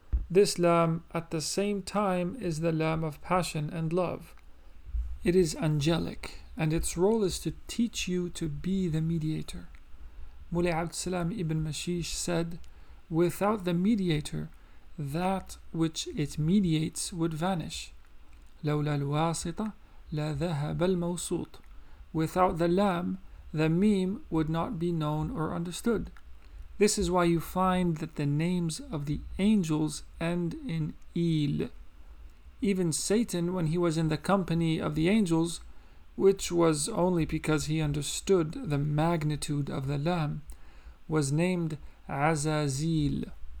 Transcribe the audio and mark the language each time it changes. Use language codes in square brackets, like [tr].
[en] This Lam at the same time is the Lam of passion and love. It is angelic, and its role is to teach you to be the mediator. Muli Abdussalam ibn Mashish said, without the mediator, that which it mediates would vanish. [ar] لولا الواسطة لذهب الموصوط. [en] Without the Lam, the meme would not be known or understood. This is why you find that the names of the angels end in il. Even Satan, when he was in the company of the angels, which was only because he understood the magnitude of the Lam, was named Azazil.